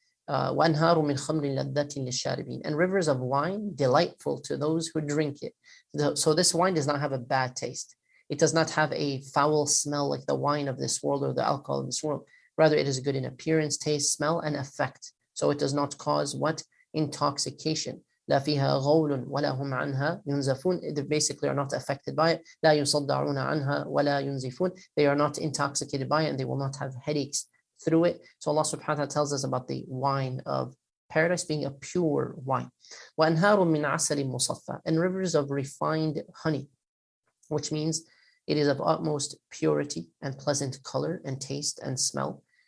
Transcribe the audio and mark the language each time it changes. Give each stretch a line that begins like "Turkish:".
Arabic: وَأَنْهَارُ مِنْ خَمْرٍ لَذَّةٍ لِلشَّارِبِينَ.
English: And rivers of wine, delightful to those who drink it. So this wine does not have a bad taste. It does not have a foul smell like the wine of this world or the alcohol of this world. Rather, it is good in appearance, taste, smell, and effect. So it does not cause what? Intoxication.
Arabic: لا فيها غول ولا هم عنها ينزفون.
English: They basically are not affected by it.
Arabic: لا يصدعون عنها ولا ينزفون.
English: They are not intoxicated by it and they will not have headaches through it. So Allah subhanahu wa ta'ala tells us about the wine of paradise being a pure wine.
Arabic: وأنهار من عسل مصفى.
English: And rivers of refined honey, which means it is of utmost purity and pleasant color and taste and smell.